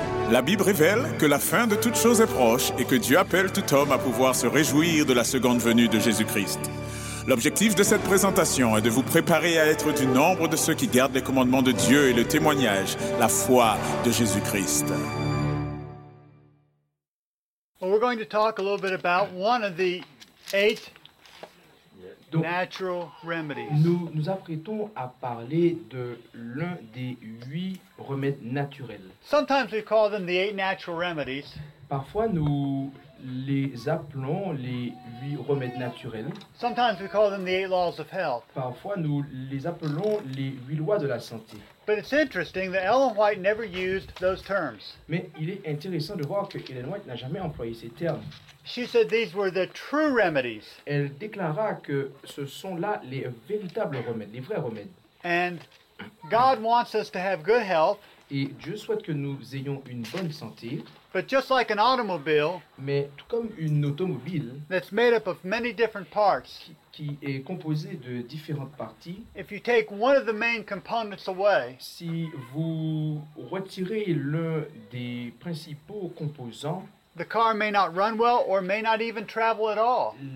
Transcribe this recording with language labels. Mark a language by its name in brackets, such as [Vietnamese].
[French] La Bible révèle que la fin de toutes choses est proche et que Dieu appelle tout homme à pouvoir se réjouir de la seconde venue de Jésus-Christ. L'objectif de cette présentation est de vous préparer à être du nombre de ceux qui gardent les commandements de Dieu et le témoignage, la foi de Jésus-Christ. [English] Well, we're going to talk a little bit about one of the eight natural remedies. [French] Nous apprêtons à parler de l'un des huit remèdes naturels. [English] Sometimes we call them the eight natural remedies. [French] Parfois nous les appelons les huit remèdes naturels. [English] Sometimes we call them the eight laws of health. [French] Parfois nous les appelons les huit lois de la santé. [English] But it's interesting that Ellen White never used those terms. [French] Mais il est intéressant de voir que Ellen White n'a jamais employé ces termes. [English] She said these were the true remedies. [French] Elle déclara que ce sont là les véritables remèdes, les vrais remèdes. [English] And God wants us to have good health. [French] Et Dieu souhaite que nous ayons une bonne santé. [English] But just like an automobile, [French] mais comme une automobile, [English] that's made up of many different parts, [French] qui est composée de différentes parties. [English] If you take one of the main components away, [French] si vous retirez l'un des principaux composants, [English] the car may not run well or may not even travel at all.